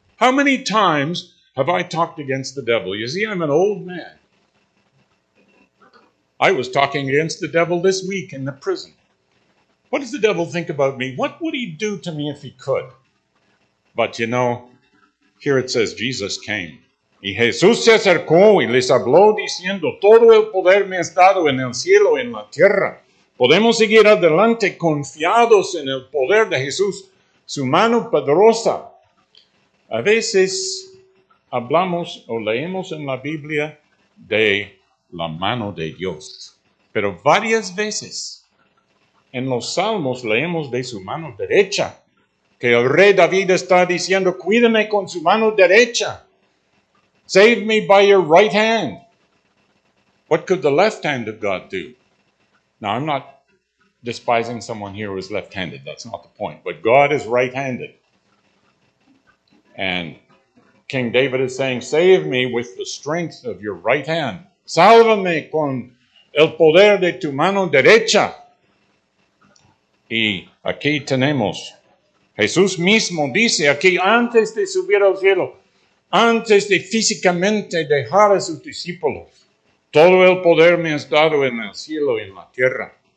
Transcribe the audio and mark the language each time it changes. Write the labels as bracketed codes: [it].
[en] How many times have I talked against the devil? You see, I'm an old man. I was talking against the devil this week in the prison. What does the devil think about me? What would he do to me if he could? But you know, here it says Jesus came. [es] Y Jesús se acercó y les habló diciendo, todo el poder me es dado en el cielo y en la tierra. Podemos seguir adelante confiados en el poder de Jesús, su mano poderosa. A veces hablamos o leemos en la Biblia de la mano de Dios. Pero varias veces en los Salmos leemos de su mano derecha. Que el rey David está diciendo, cuídame con su mano derecha. [en] Save me by your right hand. What could the left hand of God do? Now, I'm not despising someone here who is left-handed. That's not the point. But God is right-handed. And King David is saying, save me with the strength of your right hand. [es] Sálvame con el poder de tu mano derecha. Y aquí tenemos. Jesús mismo dice aquí, antes de subir al cielo, antes de físicamente dejar a sus discípulos, todo el poder me es dado en el cielo y en la tierra.